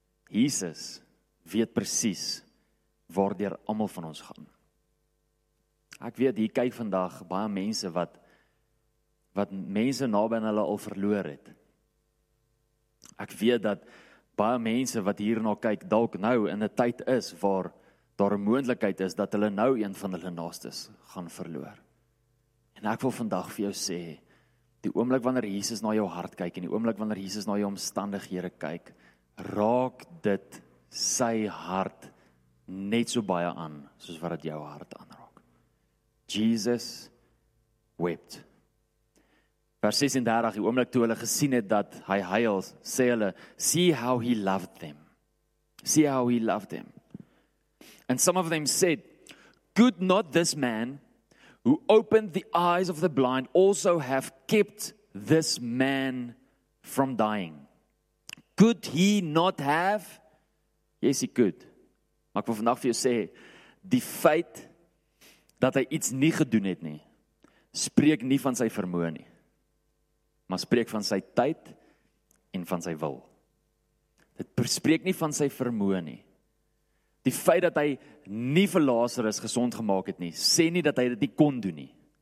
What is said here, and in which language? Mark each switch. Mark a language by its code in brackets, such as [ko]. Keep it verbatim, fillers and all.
[af] Jesus weet presies waardeur almal van ons gaan. Ek weet hier kyk vandag baie mense wat wat mense naby aan hulle al verloor het. Ek weet dat baie mense wat hierna kyk dalk nou in 'n tyd is waar daar 'n moontlikheid is dat hulle nou een van hulle naastes gaan verloor. En ek wil vandag vir jou sê, die oomblik wanneer Jesus na jou hart kyk, en die oomblik wanneer Jesus na jou omstandighede kyk, raak dit sy hart net so baie aan soos wat dit jou hart aanraak. Jesus wept. Vers ses en dertig, die oomblik toe hulle gesien het dat hy huil, sê hulle, see how he loved them. [en] See how he loved them. And some of them said, could not this man who opened the eyes of the blind also have kept this man from dying? Could he not have? Yes, he could. [af] Maar ek wil vandag vir jou sê, die feit dat hy iets nie gedoen het nie, spreek nie van sy vermoë nie, maar spreek van sy tyd en van sy wil. Dit spreek nie van sy vermoë nie. Die feit dat hy nie vir Lazarus gesond gemaak het nie, sê nie dat hy dit nie kon doen nie.